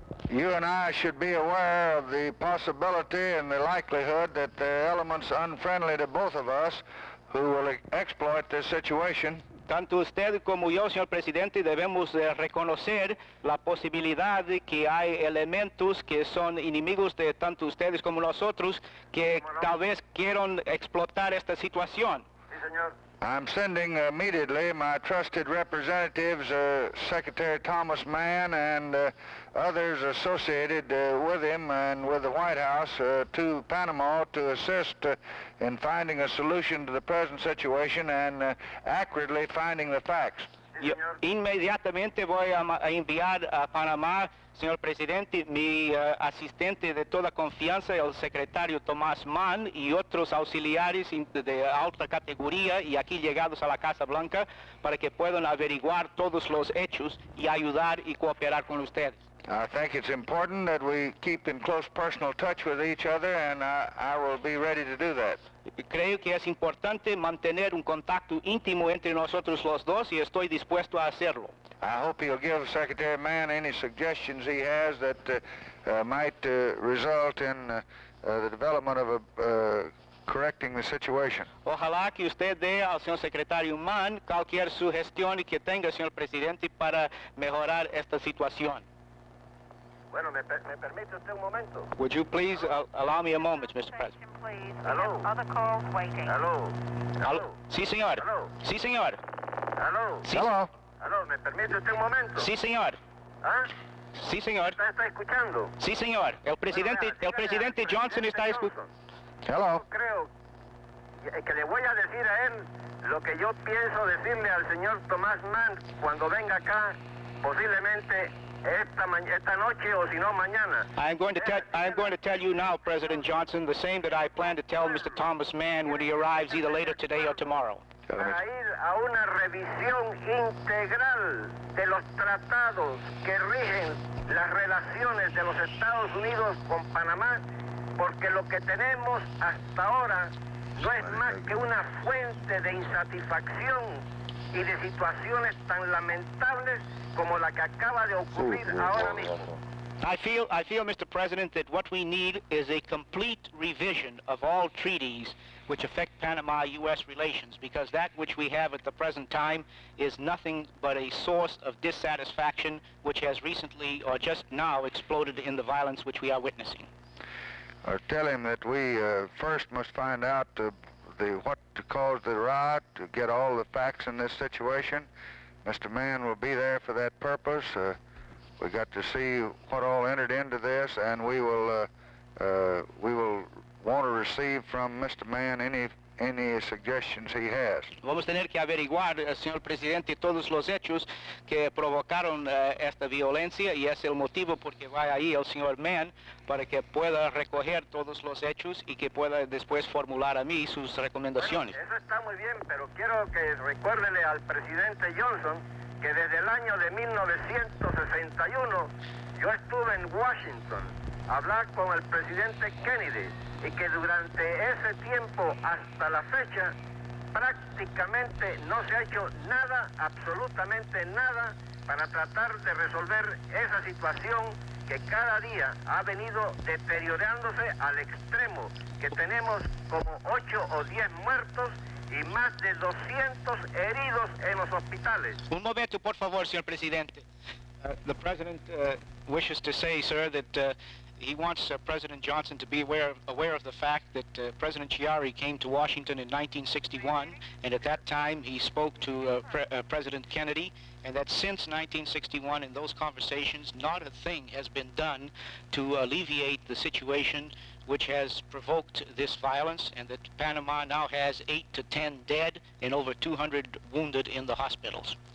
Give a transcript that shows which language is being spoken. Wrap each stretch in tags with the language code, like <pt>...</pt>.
<en>You and I should be aware of the possibility and the likelihood that the elements unfriendly to both of us who will exploit this situation.</en> <es>Tanto usted como yo, señor presidente, debemos reconocer la posibilidad de que hay elementos que son enemigos de tanto ustedes como nosotros que tal vez quieran explotar esta situación. Sí, señor.</es> <en>I'm sending immediately my trusted representatives, Secretary Thomas Mann and others associated with him and with the White House to Panama to assist in finding a solution to the present situation and accurately finding the facts.</en> <es>Yo inmediatamente voy a enviar a Panamá, señor presidente, mi asistente de toda confianza, el secretario Tomás Mann, y otros auxiliares de alta categoría y aquí llegados a la Casa Blanca para que puedan averiguar todos los hechos y ayudar y cooperar con ustedes.</es> <en>I think it's important that we keep in close personal touch with each other, and I will be ready to do that.</en> <es>Creo que es importante mantener un contacto íntimo entre nosotros los dos, y estoy dispuesto a hacerlo.</es> <en>I hope you'll give Secretary Mann any suggestions he has that might result in the development of correcting the situation.</en> <es>Ojalá que usted dé al señor secretario Mann cualquier sugestión que tenga, señor presidente, para mejorar esta situación. Bueno, me permite usted un momento.</es> <en>Would you please allow me a moment, Mr. President? Hello. Other calls waiting. Hello. Hello.</en> <es>Sí, señor.</es> <en>Hello.</en> <es>Sí, señor.</es> <en>Hello.</en> <es>Sí,</es> <en>hello. Hello.</en> <es>Me permite usted un momento. Sí, señor. ¿Ah? Sí, señor. ¿Está escuchando? Sí, señor. El presidente, bueno, el presidente Johnson está escuchando.</es> <en>Hello.</en> <es>Yo creo que le voy a decir a él lo que yo pienso decirle al señor Tomás Mann cuando venga acá, posiblemente. Esta noche o si no mañana.</es> <en>I am going to tell you now, President Johnson, the same that I plan to tell Mr. Thomas Mann when he arrives either later today or tomorrow.</en> <es>Para ir a una revisión integral de los tratados que rigen las relaciones de los Estados Unidos con Panamá, porque lo que tenemos hasta ahora no es más que una fuente de insatisfacción y de situaciones tan lamentables como la que acaba de ocurrir ahora mismo.</es> <en>I feel, Mr. President, that what we need is a complete revision of all treaties which affect Panama-U.S. relations, because that which we have at the present time is nothing but a source of dissatisfaction which has recently or just now exploded in the violence which we are witnessing. I'll tell him that we first must find out what caused the riot, to get all the facts in this situation. Mr. Mann will be there for that purpose. We got to see what all entered into this, and we will want to receive from Mr. Mann any suggestions he has.</en> <es>Vamos a tener que averiguar, señor presidente, todos los hechos que provocaron esta violencia, y es el motivo porque va ahí el señor Mann para que pueda recoger todos los hechos y que pueda después formular a mí sus recomendaciones. Bueno, eso está muy bien, pero quiero que recuérdele al presidente Johnson que desde el año de 1961 yo estuve en Washington a hablar con el presidente Kennedy, y que durante ese tiempo, hasta la fecha, prácticamente no se ha hecho nada, absolutamente nada, para tratar de resolver esa situación que cada día ha venido deteriorándose al extremo, que tenemos como 8 o 10 muertos y más de 200 heridos en los hospitales. Un momento, por favor, señor presidente.</es> <en>The president wishes to say, sir, that he wants President Johnson to be aware of the fact that President Chiari came to Washington in 1961, and at that time he spoke to President Kennedy, and that since 1961, in those conversations, not a thing has been done to alleviate the situation which has provoked this violence, and that Panama now has 8 to 10 dead and over 200 wounded in the hospitals.</en>